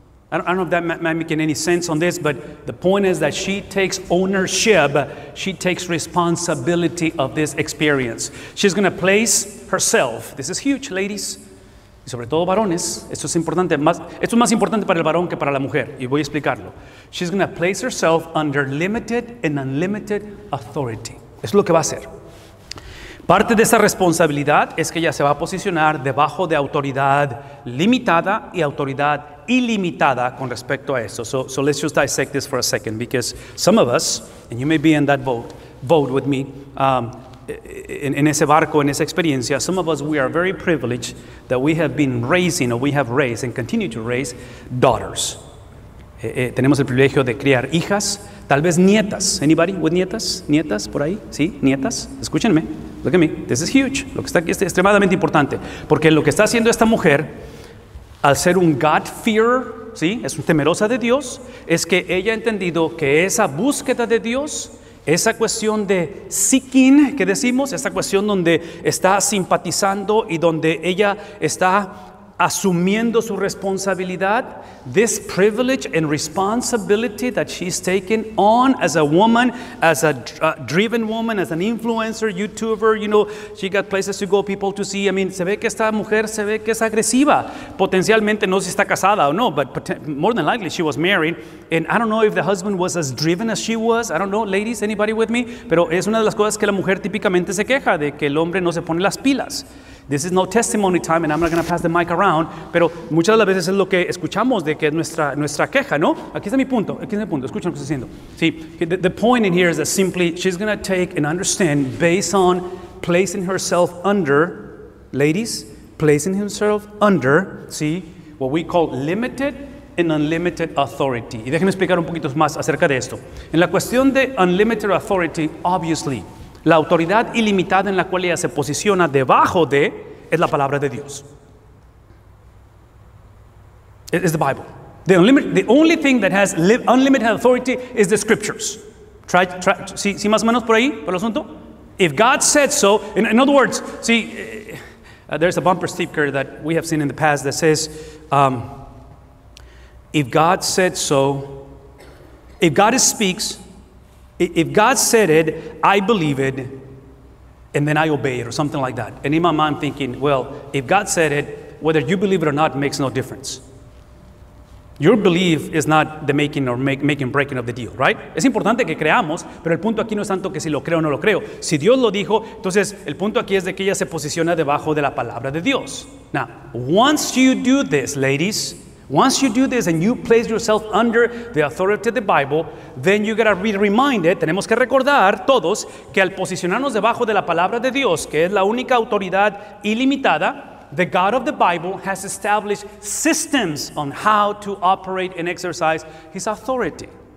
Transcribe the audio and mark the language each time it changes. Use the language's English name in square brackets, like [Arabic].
[English] I don't know if that might make any sense on this, but the point is that she takes ownership, she takes responsibility of this experience. She's going to place herself. This is huge, ladies. [Spanish] Y sobre todo varones, esto es importante, esto es más importante para el varón que para la mujer, y voy a explicarlo. [English] She's going to place herself under limited and unlimited authority. [Spanish] Es lo que va a hacer. Parte de esa responsabilidad es que ella se va a posicionar debajo de autoridad limitada y autoridad ilimitada con respecto a eso. [English] So let's just dissect this for a second, because some of us, and you may be in that boat with me, [Spanish] en ese barco, en esa experiencia, [English] some of us, we are very privileged that we have been raising, or we have raised and continue to raise, daughters. [Spanish] Tenemos el privilegio de criar hijas, tal vez nietas. [English] Anybody with nietas? [Spanish] ¿Nietas por ahí? ¿Sí? ¿Nietas? Escúchenme. [English] Look at me. This is huge. [Spanish] Lo que está aquí es extremadamente importante. Porque lo que está haciendo esta mujer, al ser un God-fearer, ¿sí? Es un temerosa de Dios, es que ella ha entendido que esa búsqueda de Dios, esa cuestión de seeking, que decimos, esa cuestión donde está simpatizando y donde ella está asumiendo su responsabilidad, [English] this privilege and responsibility that she's taken on as a woman, as a driven woman, as an influencer, YouTuber, you know, she got places to go, people to see. [Spanish] I mean, se ve que esta mujer, se ve que es agresiva. Potencialmente, no sé si está casada o no, [English] but more than likely she was married. And I don't know if the husband was as driven as she was. I don't know, ladies, anybody with me? [Spanish] Pero es una de las cosas que la mujer típicamente se queja, de que el hombre no se pone las pilas. [English] This is no testimony time, and I'm not going to pass the mic around, [Spanish] pero muchas de las veces es lo que escuchamos de que es nuestra queja, ¿no? Aquí está mi punto, escuchen lo que estoy diciendo. [English] Sí, the point in here is that simply she's going to take and understand based on placing herself under, ladies, placing herself under, ¿sí? What we call limited and unlimited authority. [Spanish] Y déjenme explicar un poquito más acerca de esto. En la cuestión de unlimited authority, obviously, la autoridad ilimitada en la cual ella se posiciona debajo de es la palabra de Dios. [English] It's the Bible. The only thing that has unlimited authority is the scriptures. [Spanish] ¿Sí más o menos por ahí, por el asunto? [English] If God said so, in other words, see, there's a bumper sticker that we have seen in the past that says, if God said it, I believe it, and then I obey it, or something like that. And in my mind, I'm thinking, well, if God said it, whether you believe it or not makes no difference. Your belief is not the making or making breaking of the deal, right? [Spanish] Es importante que creamos, pero el punto aquí no es tanto que si lo creo o no lo creo. Si Dios lo dijo, entonces el punto aquí es de que ella se posiciona debajo de la palabra de Dios. [English] Now, once you do this, ladies, once you do this and you place yourself under the authority of the Bible, then you gotta be reminded, [Spanish] tenemos que recordar todos, que al posicionarnos debajo de la palabra de Dios, que es la única autoridad ilimitada, [English] the God of the Bible has established systems on how to operate and exercise his authority.